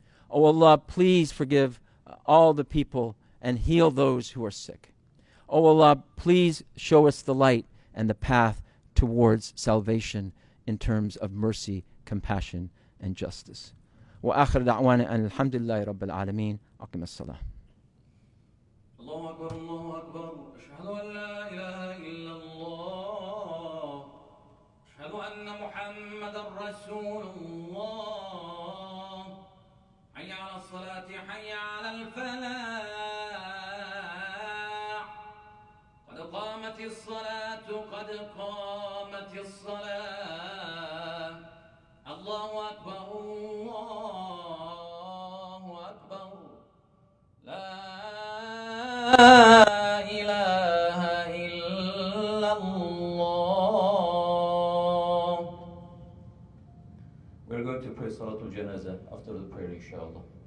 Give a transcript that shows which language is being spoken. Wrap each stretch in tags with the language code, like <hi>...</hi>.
<en>O Allah, please forgive all the people and heal those who are sick. O Allah, please show us the light and the path towards salvation in terms of mercy, compassion, and justice.</en> <ar>Wa akhir da'wana an alhamdulillahi rabbil alameen. Aqim as-salah. الله أكبر الله أكبر أشهد أن لا إله إلا الله أشهد أن محمد رسول الله حي على الصلاة حي على الفلاح قد قامت الصلاة قد قامت الصلاة الله أكبر الله أكبر لا لا إله إلا الله.</ar> <en>We're going to pray Salatul Janazah after the prayer, inshallah.</en>